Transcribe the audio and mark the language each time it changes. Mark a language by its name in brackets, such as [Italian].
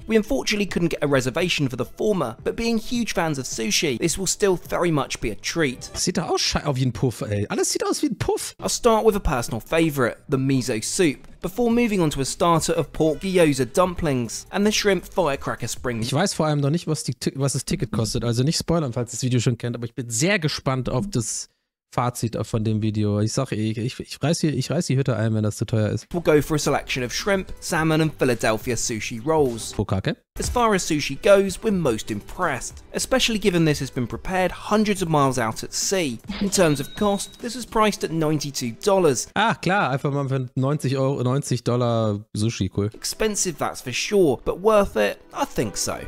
[English] We unfortunately couldn't get a reservation for the former, but being huge fans of sushi, this will still very much be a treat. [German] Sieht aus scheiße wie ein Puff, ey. Alles sieht aus wie ein Puff. [English] I'll start with a personal favourite, the miso soup, before moving on to a starter of pork gyoza dumplings and the shrimp firecracker spring. [German] Ich weiß vor allem noch nicht, was das Ticket kostet, also nicht spoilern, falls ihr das Video schon kennt, aber ich bin sehr gespannt auf das Fazit von dem Video. Ich sag, ich reiß die Hütte ein, wenn das zu teuer ist. [English] We'll go for a selection of shrimp, salmon and Philadelphia sushi rolls. Fukake. As far as sushi goes, we're most impressed, especially given this has been prepared hundreds of miles out at sea. In terms of cost, this was priced at $92. [German] Ah, klar, einfach mal für $90 Sushi, cool. [English] Expensive, that's for sure, but worth it? I think so.